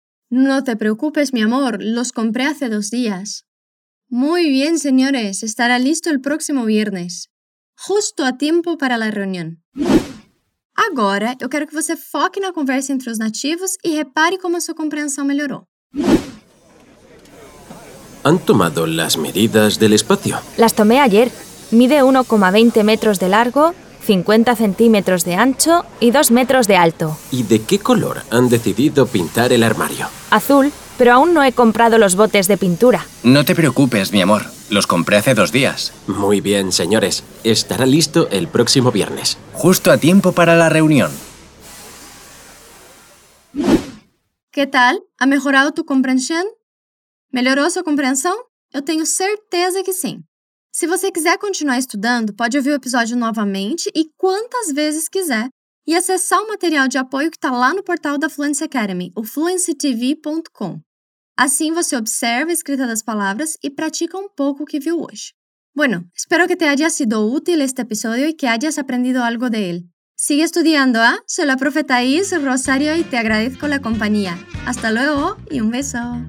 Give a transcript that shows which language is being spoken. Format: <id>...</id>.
<es>No te preocupes, mi amor. Los compré hace 2 días. Muy bien, señores. Estará listo el próximo viernes. Justo a tiempo para la reunión.</es> <pt>Agora, eu quero que você foque na conversa entre os nativos e repare como a sua compreensão melhorou.</pt> <es>¿Han tomado las medidas del espacio? Las tomé ayer. Mide 1,20 metros de largo, 50 centímetros de ancho y 2 metros de alto. ¿Y de qué color han decidido pintar el armario? Azul. Pero aún no he comprado los botes de pintura. No te preocupes, mi amor. Los compré hace 2 días. Muy bien, señores. Estará listo el próximo viernes. Justo a tiempo para la reunión. ¿Qué tal? ¿Ha mejorado tu comprensión?</es> <pt>¿Melhorou sua compreensão? Eu tenho certeza que sim. Se você quiser continuar estudando, pode ouvir o episódio novamente e quantas vezes quiser. E acessar o material de apoio que está lá no portal da Fluency Academy, o fluencytv.com. Assim você observa a escrita das palavras e pratica um pouco o que viu hoje.</pt> <es>Bueno, espero que te haya sido útil este episodio e que hayas aprendido algo de él. Sigue estudiando, ¿eh? Soy la profe Thaís Rosario y te agradezco la compañía. Hasta luego y un beso.</es>